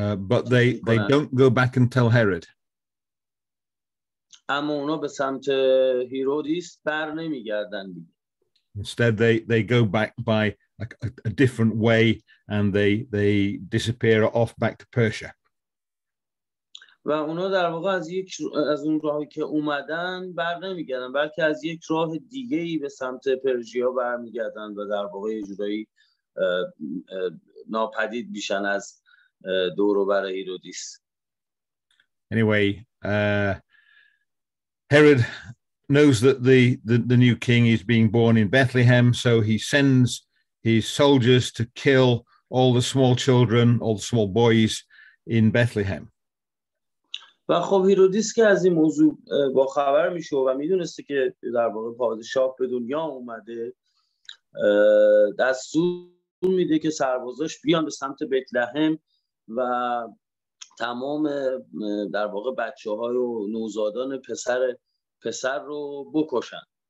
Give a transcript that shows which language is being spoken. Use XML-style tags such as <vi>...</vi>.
<en>But they don't go back and tell Herod.</en> <fa>اما اونا به سمت هیرودیس بر نمیگردن دیگه.</fa> <en>Instead they go back by a different way and they disappear off back to Persia.</en> <fa>و اونا در واقع از اون راهی که اومدن بر نمیگردن، بلکه از یک راه دیگه‌ای به سمت پرشیا برمیگردن و در واقع یه جورایی ناپدید میشن از دوروبر هیرودیس.</fa> <en>Anyway, Herod knows that the new king is being born in Bethlehem, so he sends his soldiers to kill all the small children, all the small boys in Bethlehem.</en> <fa>و خب هیرودیس که از این موضوع با خبر میشه و میدونسته که در واقع پادشاه به دنیا اومده، دستور میده که سربازاش بیان به سمت بیت لحم و تمام در واقع بچه های و نوزادان پسر رو بکشن.</fa>